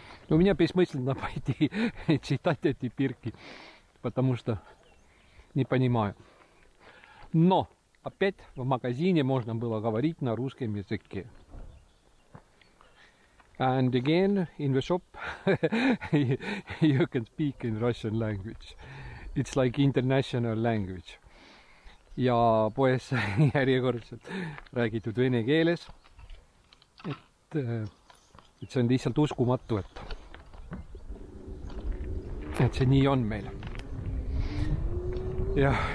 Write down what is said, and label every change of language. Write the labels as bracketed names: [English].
[Russian] У меня бессмысленно пойти читать эти пирки, потому что не понимаю. Но опять в магазине можно было говорить на русском языке. [English] And again, in the shop, you can speak in Russian language. It's like international language. [Estonian] Ja poes järjekordselt räägitud vene keeles. Et see on lihtsalt uskumatu, et see nii on meil. Ja.